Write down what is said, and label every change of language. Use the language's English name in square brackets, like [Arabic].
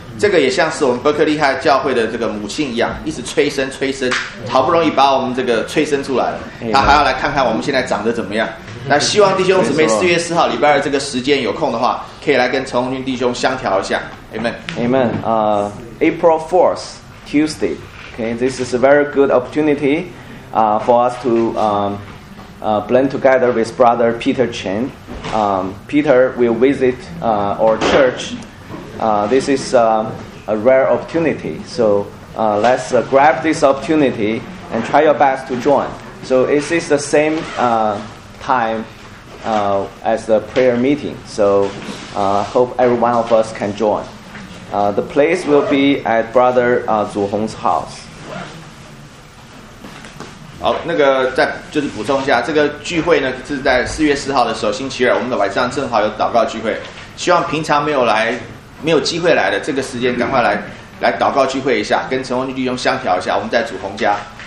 [Chinese] 这个也像是我们伯克利翰教会的这个母亲一样，一直催生催生，好不容易把我们这个催生出来了。 [English] Amen. [Chinese] 他还要来看看我们现在长得怎么样。那希望弟兄姊妹四月四号礼拜二这个时间有空的话，可以来跟陈宏军弟兄相调一下。 [English] Amen. Amen. April 4th, Tuesday. Okay, this is a very good opportunity for us to blend together with Brother Peter Chen. Peter will visit our church. This is a rare opportunity. So let's grab this opportunity and try your best to join. So it is the same time as the prayer meeting. So hope every one of us can join. The place will be at Brother Zhu Hong's house. [Chinese] 好，那个再就是补充一下，这个聚会呢是在四月四号的时候，星期二，我们的晚上正好有祷告聚会。希望平常没有来、没有机会来的，这个时间赶快来祷告聚会一下，跟陈宏军弟兄相调一下，我们在祖宏家。